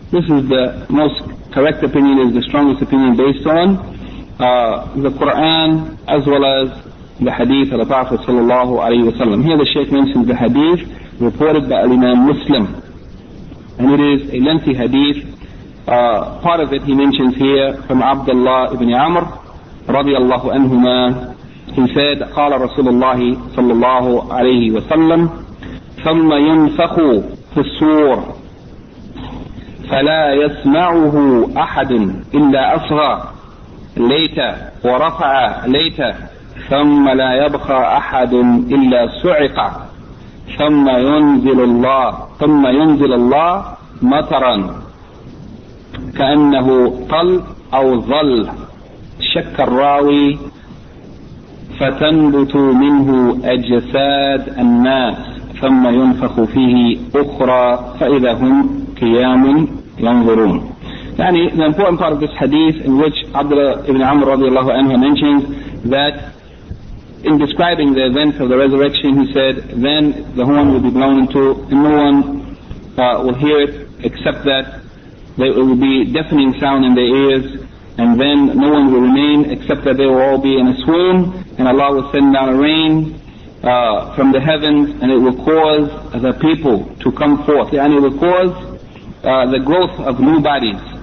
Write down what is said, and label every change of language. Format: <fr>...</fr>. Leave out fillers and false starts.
<en>This is the most correct opinion, is the strongest opinion based on the Quran as well as the hadith of the Prophet sallallahu alayhi wa sallam. Here the Shaykh mentions the hadith reported by Imam Muslim, and it is a lengthy hadith. Part of it he mentions here from Abdullah ibn Amr radiallahu anhuma. He said,</en> <ar>قال رسول الله صلى الله عليه وسلم ثم ينفخ في الصور فلا يسمعه أحد إلا أصغى ليت ورفع ليت ثم لا يبقى أحد إلا سعق ثم ينزل الله ثم ينزل الله مطرا كأنه طل أو ظل شك الراوي فتنبت منه أجساد الناس ثم ينفخ فيه أخرى فإذا هم قيام ينظرون.</ar> <en>يعني the important part of this hadith in which Abdullah ibn Amr radiallahu anhu mentions that in describing the events of the resurrection, he said, then the horn will be blown into, and no one will hear it except that there will be deafening sound in their ears, and then no one will remain except that they will all be in a swoon, and Allah will send down a rain from the heavens, and it will cause the people to come forth, and it will cause the growth of new bodies.</en>